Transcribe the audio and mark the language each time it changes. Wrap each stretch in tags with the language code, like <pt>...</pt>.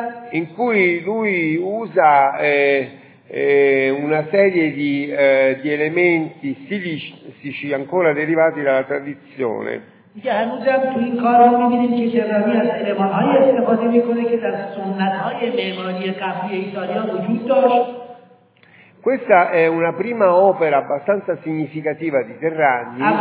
<it>In cui lui usa una serie di elementi stilistici ancora derivati dalla tradizione.</it> <fa>دیگه هنوز هم تو این کار رو میبینیم که ترانی از علمان های استفاده میکنه که در سنت های معماری قبلی ایتالیا وجود داشت.</fa> <it>Questa è una prima opera abbastanza significativa di Terragni.</it>